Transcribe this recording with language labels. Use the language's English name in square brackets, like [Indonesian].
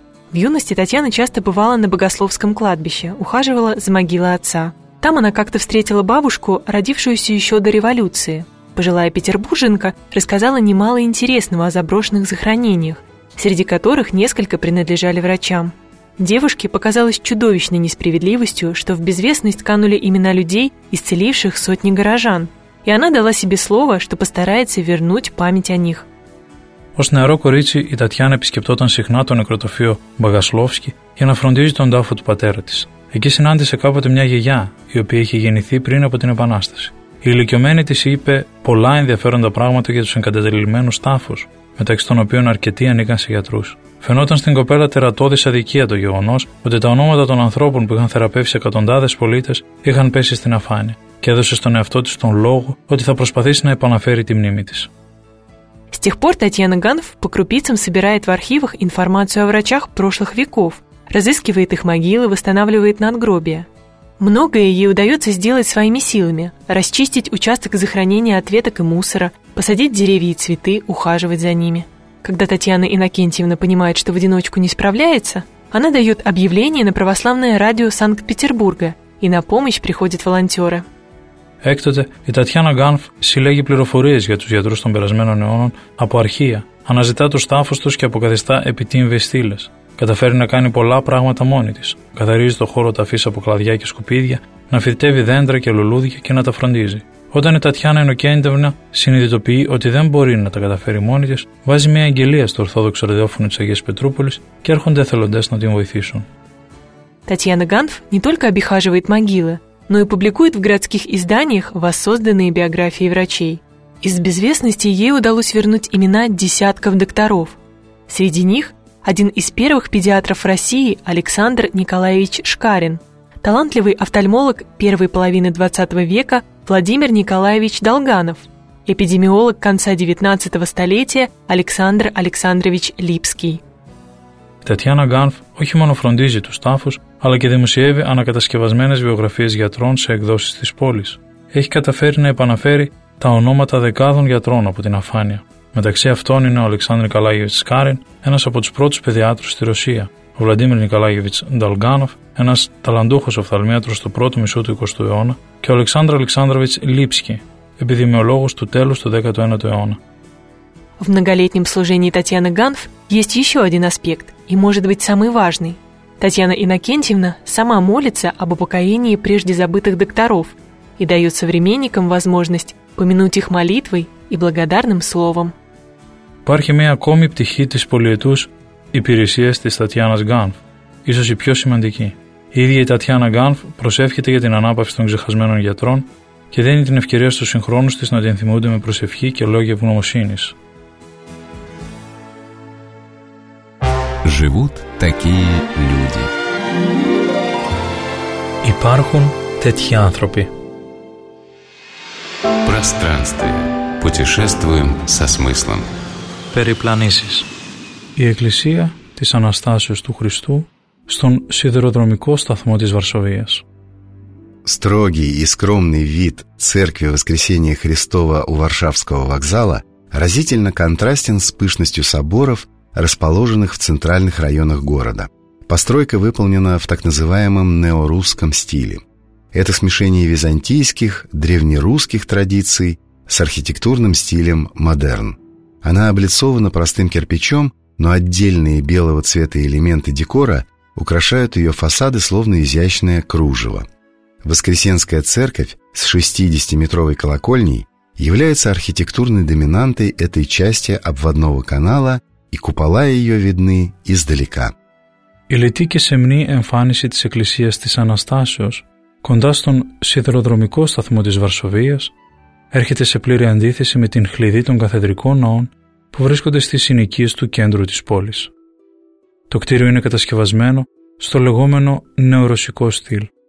[Russian] В юности Татьяна часто бывала на Богословском кладбище, ухаживала за могилой отца. Там она как-то встретила бабушку, родившуюся еще до революции. Пожилая петербурженка рассказала немало интересного о заброшенных захоронениях, среди которых несколько принадлежали врачам. Девушке показалось чудовищной несправедливостью, что в безвестность канули имена людей, исцеливших сотни горожан. И она дала себе слово, что постарается вернуть память о них. [Greek] Ως νεαρό κορίτσι, η Τατιάνα επισκεπτόταν συχνά το νεκροτοφείο Μπαγκασλόφσκι για να φροντίζει τον τάφο του πατέρα της. Εκεί συνάντησε κάποτε μια γιαγιά, η οποία είχε γεννηθεί πριν από την Επανάσταση. Η ηλικιωμένη της είπε πολλά ενδιαφέροντα πράγματα για τους εγκαταλελειμμένους τάφους, μεταξύ των οποίων αρκετοί ανήκαν σε γιατρούς. Φαινόταν στην κοπέλα τερατώδης αδικία το γεγονός ότι τα ονόματα των ανθρώπων που είχαν θεραπεύσει εκατοντάδες πολίτες είχαν πέσει στην αφάνεια και έδωσε στον εαυτό της τον λόγο ότι θα προσπαθήσει να επαναφέρει τη μνήμη της. [Russian] С тех пор Татьяна Ганф по крупицам собирает в архивах информацию о врачах прошлых веков, разыскивает их могилы, восстанавливает надгробия. Многое ей удается сделать своими силами – расчистить участок захоронения от веток и мусора, посадить деревья и цветы, ухаживать за ними. Когда Татьяна Иннокентьевна понимает, что в одиночку не справляется, она дает объявление на православное радио Санкт-Петербурга, и на помощь приходят волонтеры. [Greek] Έκτοτε, η Τατιάνα Γκάνφ συλλέγει πληροφορίες για τους γιατρούς των περασμένων αιώνων από αρχεία, Αναζητά τους τάφους τους και αποκαθιστά επιτύμβες στήλες. Καταφέρει να κάνει πολλά πράγματα μόνη της. Καθαρίζει το χώρο ταφής από κλαδιά και σκουπίδια, να φυτεύει δέντρα και λουλούδια και να τα φροντίζει. Όταν η Τατιάνα Ινοκέντευνα συνειδητοποιεί ότι δεν μπορεί να τα καταφέρει μόνη της, βάζει μια αγγελία στο Ορθόδοξο Ραδιόφωνο της Αγίας Πετρούπολης και έρχονται εθελοντές να την βοηθήσουν. [Russian] Татьяна Ганф не только обихаживает могилы, но и публикует в городских изданиях воссозданные биографии врачей. Из безвестности ей удалось вернуть имена десятков докторов. Среди них один из первых педиатров России Александр Николаевич Шкарин, талантливый офтальмолог первой половины XX века Владимир Николаевич Долганов, эпидемиолог конца XIX столетия Александр Александрович Липский. [Greek] Татьяна Ганф όχι μόνο φροντίζει τους τάφους, αλλά και δημοσιεύει ανακατασκευασμένες βιογραφίες γιατρών σε εκδόσεις της πόλης. Έχει καταφέρει να επαναφέρει τα ονόματα δεκάδων γιατρών από την αφάνεια. Μεταξύ αυτών είναι ο Αλεξάνδρ Νικολάγεβιτς Σκάριν, ένας από τους πρώτους παιδιάτρους στη Ρωσία, ο Βλαντίμιρ Νικολάγεβιτς Ντολγάνοφ, ένας ταλαντούχος οφθαλμίατρος του πρώτου μισού του 20ου αιώνα, και ο Αλεξάνδρ Αλεξάνδροβιτς Λίψκι, επιδημιολόγος του τέλους του 19ου αιώνα. [Russian] В многолетнем служении Татьяны Ганф есть еще один аспект, и может быть самый важный. Татьяна Иннокентьевна сама молится об упокоении прежде забытых докторов и дает современникам возможность помянуть их молитвой и благодарным словом. [Greek] Υπάρχει μια ακόμη πτυχή της πολυετούς υπηρεσίας της Τατιάνας Γκάνφ, ίσως η πιο σημαντική. Η ίδια η Τατιάνα Γκάνφ προσεύχεται για την ανάπαυση των ξεχασμένων γιατρών και δίνει την ευκαιρία στους συγχρόνους της να την θυμούνται με προσευχή και λόγια ευγνωμοσύνης. [Russian] Живут такие люди. [Greek] Υπάρχουν τέτοιοι άνθρωποι. [Russian] Пространствие. Путешествуем со смыслом. [Greek] Περιπλανήσεις. Η Εκκλησία της Αναστάσεως του Χριστού στον σιδηροδρομικό σταθμό της Βαρσοβίας. [Russian] Строгий и скромный вид Церкви Воскресения Христова у Варшавского вокзала разительно контрастен с пышностью соборов, расположенных в центральных районах города. Постройка выполнена в так называемом неорусском стиле. Это смешение византийских, древнерусских традиций с архитектурным стилем модерн. Она облицована простым кирпичом, но отдельные белого цвета элементы декора украшают ее фасады словно изящное кружево. Воскресенская церковь с 60-метровой колокольней является архитектурной доминантой этой части обводного канала, и купола ее видны издалека. [Greek] Ηλιτή και σεμνή εμφάνιση της Εκκλησίας της Αναστάσεως κοντά στον σιδηροδρομικό σταθμό της Βαρσοβίας έρχεται σε πλήρη αντίθεση με την χλειδί των καθεδρικών ναών που βρίσκονται στις συνοικίες του κέντρου της πόλης. Το κτίριο είναι κατασκευασμένο στο λεγόμενο νεορωσικό στυλ.